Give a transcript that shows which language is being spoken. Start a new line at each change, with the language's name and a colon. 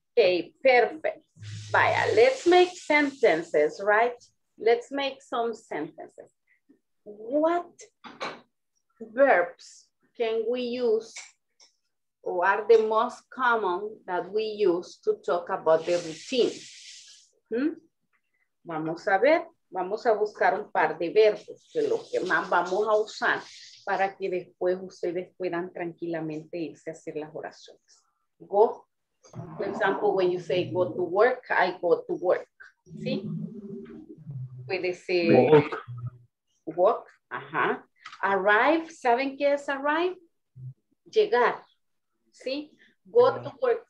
English: Okay, perfect. Vaya, let's make sentences, right? Let's make some sentences. What verbs can we use or are the most common that we use to talk about the routine?
Spanish: Vamos a ver, vamos a buscar un par de verbos que lo que más vamos a usar para que después ustedes puedan tranquilamente irse a hacer las oraciones.
English: Go. For example, when you say go to work, I go to work.
Spanish: ¿Sí? Puede ser
English: walk.
Spanish: Ajá. Arrive, ¿saben qué es arrive? Llegar. ¿Sí?
English: Go to work.